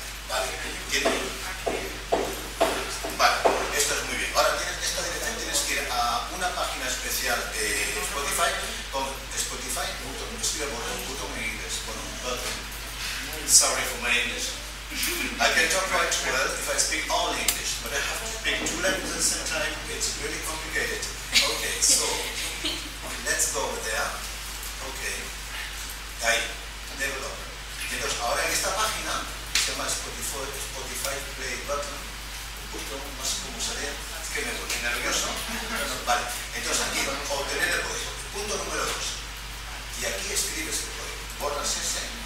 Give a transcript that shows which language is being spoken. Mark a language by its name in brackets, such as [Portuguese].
[Spanish] Vale. ¿Entiendes? Vale, esto es muy bien. Ahora, tienes esta dirección, tienes que ir a una página especial de Spotify. Con Spotify, [English] button, [Spanish] escribe por el botón en inglés. Bueno, button. [English] Sorry for my English. I can talk quite well if I speak all English, but I have to speak two languages at the same time. It's really complicated. Okay, so let's go over there. Okay. [Spanish] Ahí, [English] developer. [Spanish] Entonces, ahora en esta página, que se llama Spotify Play Button, un botón más como sería, que me pone nervioso. Vale, entonces aquí, obtener el código. Punto número 2. Y aquí escribes el código. Borras ese.